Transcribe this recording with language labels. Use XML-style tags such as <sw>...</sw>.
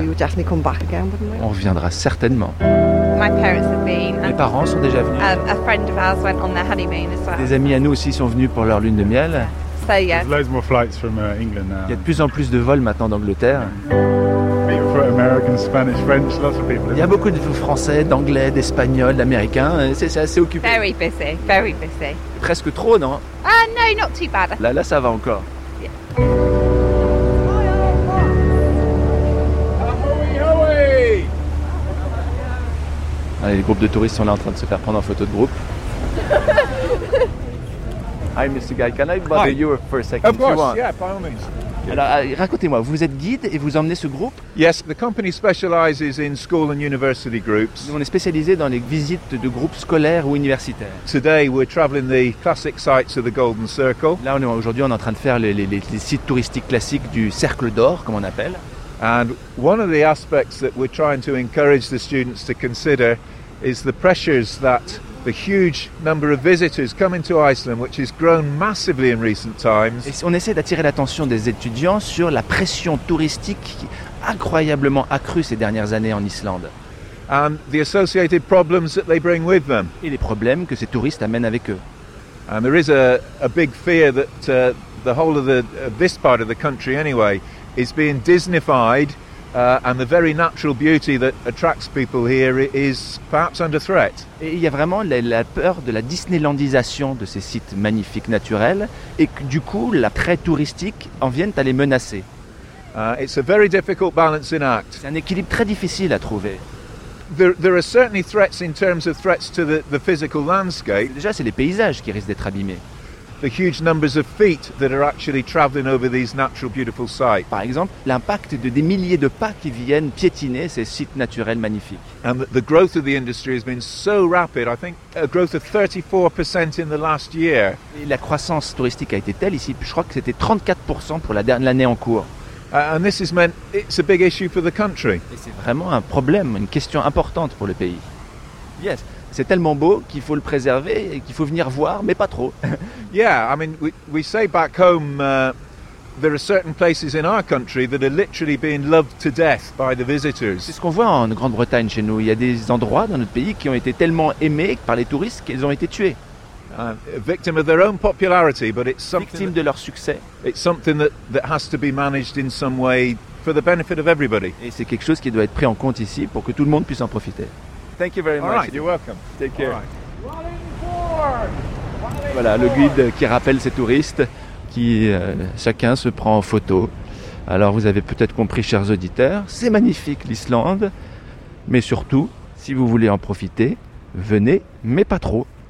<en>We would definitely come back again, wouldn't we?</en> <fr>On reviendra certainement.</fr> <en>My parents have been.</en> <fr>Mes parents sont déjà venus.</fr> <en>A friend of ours went on their honeymoon as well.</en> <fr>Des amis à nous aussi sont venus pour leur lune de miel.</fr> <en>So yeah. There's loads more flights from England now.</en> <fr>Il y a de plus en plus de vols maintenant d'Angleterre.</fr> <en>American, Spanish, French, lots of people.</en> <fr>Il y a beaucoup de Français, d'Anglais, d'Espagnols, d'Américains. C'est assez occupé.</fr> <en>Very busy, very busy.</en> <fr>Presque trop, non?</fr> <en>Ah, no, not too bad.</en> <fr>Là, ça va encore.</fr> <en>Yeah.</en> <fr>Allez, les groupes de touristes sont là en train de se faire prendre en photo de groupe.</fr> <en>Hi, Mr. Guy, can I bother you for a second? Of course, if you want. Yeah, by all means.</en> <fr>Alors, racontez-moi, vous êtes guide et vous emmenez ce groupe?</fr> <en>Yes, the company specializes in school and university groups.</en> <fr>On est spécialisé dans les visites de groupes scolaires ou universitaires.</fr> <en>Today, we're traveling the classic sites of the Golden Circle.</en> <fr>Là, aujourd'hui, on est en train de faire les sites touristiques classiques du Cercle d'Or, comme on appelle.</fr> <en>And one of the aspects that we're trying to encourage the students to consider is the pressures that the huge number of visitors coming to Iceland, which has grown massively in recent times.</en> <fr>On essaie d'attirer l'attention des étudiants sur la pression touristique incroyablement accrue ces dernières années en Islande.</fr> <en>And the associated problems that they bring with them.</en> <fr>Et les problèmes que ces touristes amènent avec eux.</fr> <en>And there is a big fear that the whole of the this part of the country anyway is being Disneyfied. And the very natural beauty that attracts people here is perhaps under threat.</en> <fr>Et il y a vraiment la peur de la Disneylandisation de ces sites magnifiques naturels et que du coup l'attrait touristique en viennent à les menacer.</fr> <en>It's a very difficult balancing act.</en> <fr>C'est un équilibre très difficile à trouver.</fr> <en>There are certainly threats in terms of threats to the physical landscape.</en> <fr>Déjà, c'est les paysages qui risquent d'être abîmés.</fr> <en>The huge numbers of feet that are actually traveling over these natural beautiful sites.</en> <fr>Par exemple, l'impact de des milliers de pas qui viennent piétiner ces sites naturels magnifiques.</fr> <en>And the growth of the industry has been so rapid, I think a growth of 34% in the last year.</en> <fr>Et la croissance touristique a été telle ici, je crois que c'était 34% pour la dernière année en cours.</fr> <en>And this has meant it's a big issue for the country.</en> <fr>Et c'est vraiment un problème, une question importante pour le pays.</fr> <en>Yes.</en> <fr>C'est tellement beau qu'il faut le préserver et qu'il faut venir voir, mais pas trop.</fr> <en>Yeah, I mean, we say back home there are certain places in our country that are literally being loved to death by the visitors.</en> <fr>C'est ce qu'on voit en Grande-Bretagne chez nous. Il y a des endroits dans notre pays qui ont été tellement aimés par les touristes qu'ils ont été tués.</fr> <en>Victim of their own popularity, but it's something.</en> <fr>Victime de leur succès.</fr> <en>It's something that has to be managed in some way for the benefit of everybody.</en> <fr>Et c'est quelque chose qui doit être pris en compte ici pour que tout le monde puisse en profiter.</fr> <en>Thank you very much. All right, you're welcome. Take care.</en> <fr>Voilà le guide qui rappelle ces touristes qui chacun se prend en photo. Alors vous avez peut-être compris, chers auditeurs, c'est magnifique l'Islande, mais surtout, si vous voulez en profiter, venez, mais pas trop.</fr>